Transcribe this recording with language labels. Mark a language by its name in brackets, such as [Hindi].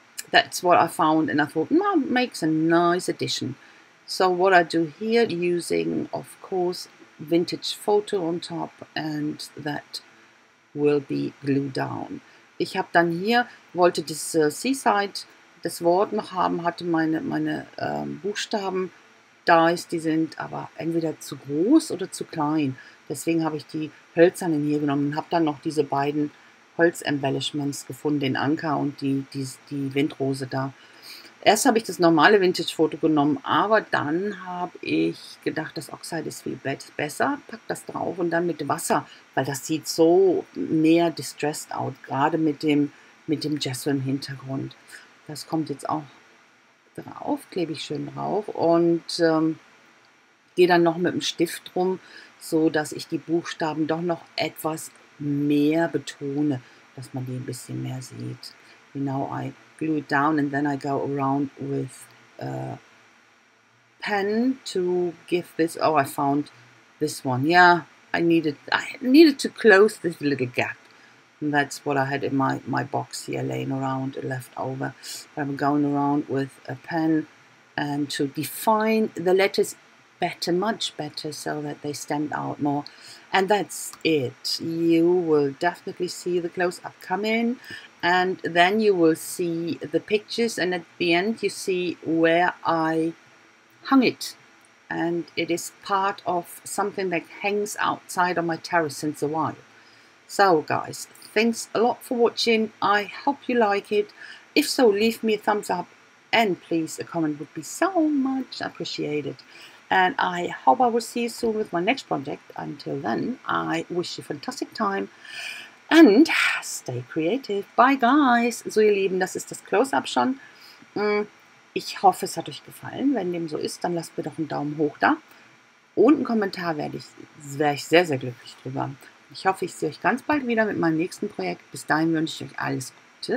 [English] That's what I found, and I thought, makes a nice addition. So what I do here, using of course vintage photo on top, and that will be glued down. [German] Ich habe dann hier wollte das Seaside. Das Wort noch haben, hatte meine Buchstaben Dice, die sind aber entweder zu groß oder zu klein. Deswegen habe ich die hölzernen hier genommen und habe dann noch diese beiden Holzembellishments gefunden, den Anker und die Windrose da. Erst habe ich das normale Vintage-Foto genommen, aber dann habe ich gedacht, das Oxide ist viel besser, pack das drauf und dann mit Wasser, weil das sieht so mehr distressed out, gerade mit dem Gesso im Hintergrund. Das kommt jetzt auch drauf, klebe ich schön drauf und gehe dann noch mit dem Stift rum, so dass ich die Buchstaben doch noch etwas mehr betone, dass man die ein bisschen mehr sieht. [English] Genau, I glue it down and then I go around with a pen to give this. Oh, I found this one. Yeah, I needed to close this little gap. And that's what I had in my box here laying around and left over. I'm going around with a pen and to define the letters better, much better, so that they stand out more. And that's it. You will definitely see the close-up come in, and then you will see the pictures, and at the end you see where I hung it. And it is part of something that hangs outside on my terrace since a while. So guys, thanks a lot for watching. I hope you like it. If so, leave me a thumbs up, and please, a comment would be so much appreciated. And I hope I will see you soon with my next project. Until then, I wish you a fantastic time and stay creative. Bye, guys. [German] So, ihr Lieben, das ist das Close-Up schon. Ich hoffe, es hat euch gefallen. Wenn dem so ist, dann lasst mir doch einen Daumen hoch da. Und einen Kommentar wäre ich sehr, sehr glücklich drüber. Ich hoffe, ich sehe euch ganz bald wieder mit meinem nächsten Projekt. Bis dahin wünsche ich euch alles Gute.